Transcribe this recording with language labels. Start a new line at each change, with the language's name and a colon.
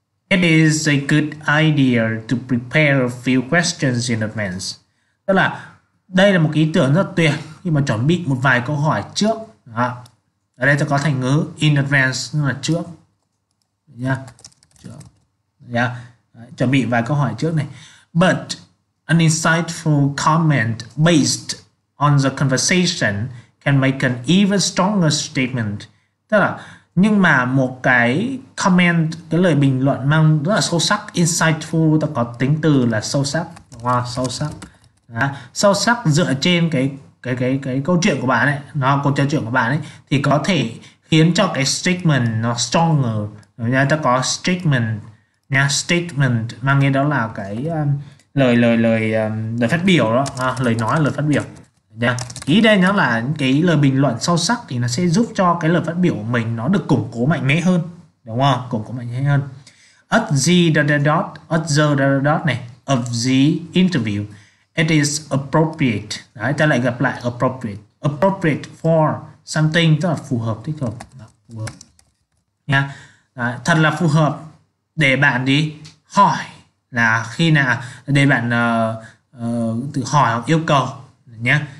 English: It is a good idea to prepare a few questions in advance.
Vietnamese: Tức là đây là một ý tưởng rất tuyệt khi mà chuẩn bị một vài câu hỏi trước. Đó. Ở đây ta có thành ngữ
English: in advance
Vietnamese: nhưng là trước, nha. Trước. Nha. Đấy, chuẩn bị vài câu hỏi trước này.
English: But an insightful comment based on the conversation can make an even stronger statement.
Vietnamese: Tức là nhưng mà một cái comment, cái lời bình luận mang rất là sâu sắc, insightful ta có tính từ là sâu sắc, đúng không? Sâu sắc. Đó. Sâu sắc dựa trên cái câu chuyện của bạn ấy, nó câu trò chuyện của bạn ấy thì có thể khiến cho cái statement nó stronger. Nha, ta có statement, nha, statement mang nghĩa đó là cái lời lời lời lời phát biểu đó, lời nói, lời phát biểu. Nha. Ý đây nó là cái lời bình luận sâu sắc thì nó sẽ giúp cho cái lời phát biểu của mình nó được củng cố mạnh mẽ hơn, đúng không? Củng cố mạnh mẽ hơn.
English: At the dot, at the dot
Vietnamese: này,
English: of the interview. It is appropriate.
Vietnamese: Đấy, ta lại gặp lại appropriate.
English: Appropriate for something
Vietnamese: tức là phù hợp, thích hợp. Đó, phù hợp. Nha. Đấy, thật là phù hợp để bạn đi hỏi là khi nào để bạn tự hỏi hoặc yêu cầu nhé.